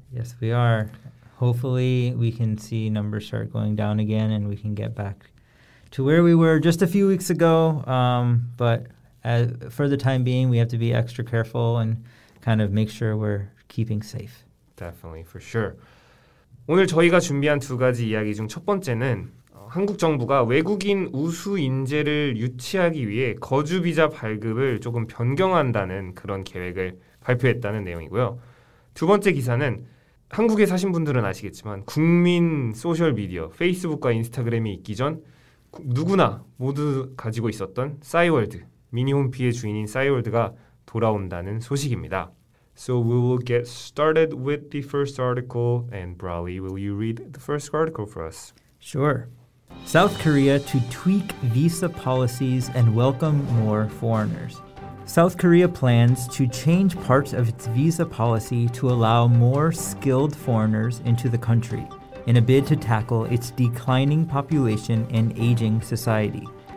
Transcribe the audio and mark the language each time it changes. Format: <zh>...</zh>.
<en>Yes, we are. Hopefully we can see numbers start going down again and we can get back to where we were just a few weeks ago. But for the time being, we have to be extra careful and kind of make sure we're keeping safe. Definitely, for sure.</en> <ko>오늘 저희가 준비한 두 가지 이야기 중 첫 번째는 한국 정부가 외국인 우수 인재를 유치하기 위해 거주 비자 발급을 조금 변경한다는 그런 계획을 발표했다는 내용이고요. 두 번째 기사는 한국에 사신 분들은 아시겠지만 국민 소셜미디어, 페이스북과 인스타그램이 있기 전 누구나 모두 가지고 있었던 싸이월드, 미니홈피의 주인인 싸이월드가 돌아온다는 소식입니다.</ko> <en>So we will get started with the first article, and Brawley, will you read the first article for us? Sure. South Korea to tweak visa policies and welcome more foreigners. South Korea plans to change parts of its visa policy to allow more skilled foreigners into the country in a bid to tackle its declining population and aging society.</en>